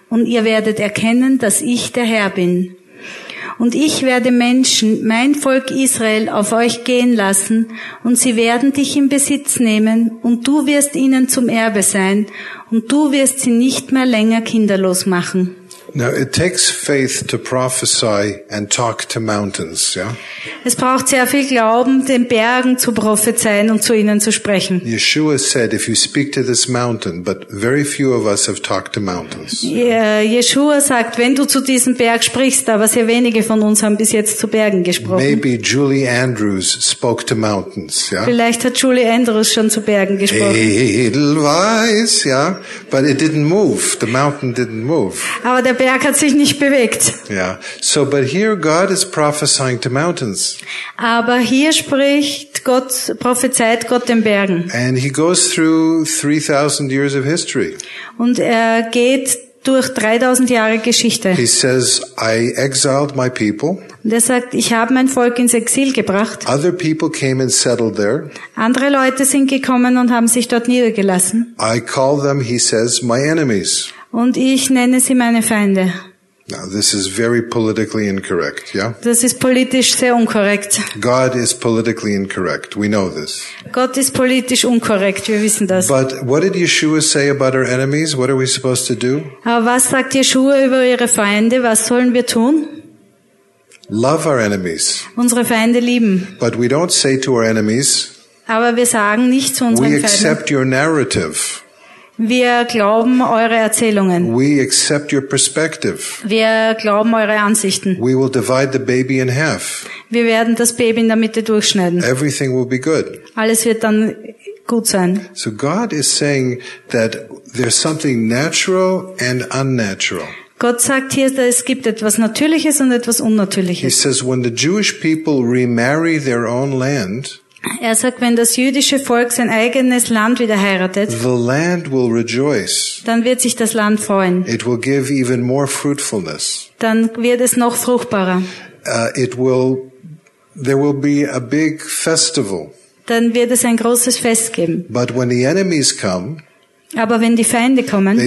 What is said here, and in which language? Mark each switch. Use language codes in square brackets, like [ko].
[de] Und ihr werdet erkennen, dass ich der Herr bin. Und ich werde Menschen, mein Volk Israel, auf euch gehen lassen, und sie werden dich in Besitz nehmen, und du wirst ihnen zum Erbe sein, und du wirst sie nicht mehr länger kinderlos machen. [en] Now it takes faith to prophesy and talk to mountains, yeah? [de] Es braucht sehr viel Glauben, den Bergen zu prophezeien und zu ihnen zu sprechen. [en] Yeshua said, if you speak to this mountain, but very few of us have talked to mountains. [de] Yeshua sagt, wenn du zu diesem Berg sprichst, aber sehr wenige von uns haben bis jetzt zu Bergen gesprochen. [en] Maybe Julie Andrews spoke to mountains, yeah? [de] Vielleicht hat Julie Andrews schon zu Bergen gesprochen. [en] Edelweiss, yeah? But it didn't move. The mountain didn't move. [de] Aber der Berg hat sich nicht bewegt. [en] Yeah. So, but here God is prophesying to mountains. [de] Aber hier spricht Gott, prophezeit Gott den Bergen. [en] And he goes through 3000 years of history. [de] Und er geht durch 3000 Jahre Geschichte. [en] He says, I exiled my people. [de] Und er sagt, ich habe mein Volk ins Exil gebracht. [en] Other people came and settled there. [de] Andere Leute sind gekommen und haben sich dort niedergelassen. [en] I call them, he says, my enemies. [de] Und ich nenne sie meine Feinde. [en] Now, this is very politically incorrect, yeah? [de] Das ist politisch sehr unkorrekt. [en] God is politically incorrect. We know this. [de] Gott ist politisch unkorrekt. Wir wissen das. [en] But what did Yeshua say about our enemies? What are we supposed to do? [de] Aber was sagt Yeshua über ihre Feinde? Was sollen wir tun? [en] Love our enemies. [de] Unsere Feinde lieben. [en] But we don't say to our enemies. [de] Aber wir sagen nicht zu unseren [en] we [de] Feinden. [en] We accept your narrative. [de] Wir glauben eure Erzählungen. [en] We accept your perspective. [de] Wir glauben eure Ansichten. [en] We will divide the baby in half. [de] Wir werden das Baby in der Mitte durchschneiden. [en] Everything will be good. [de] Alles wird dann gut sein. [en] So God is saying that there's something natural and unnatural. [de] Gott sagt hier, dass es gibt etwas Natürliches und etwas Unnatürliches. [en] He says when the Jewish people remarry their own land, [de] er sagt, wenn das jüdische Volk sein eigenes Land wieder heiratet, [en] the land will rejoice. [de] Dann wird sich das Land freuen. [en] It will give even more fruitfulness. [de] Dann wird es noch fruchtbarer. [en] There will be a big festival. [de] Dann wird es ein großes Fest geben. [en] But when the enemies come, [de] aber wenn die Feinde kommen,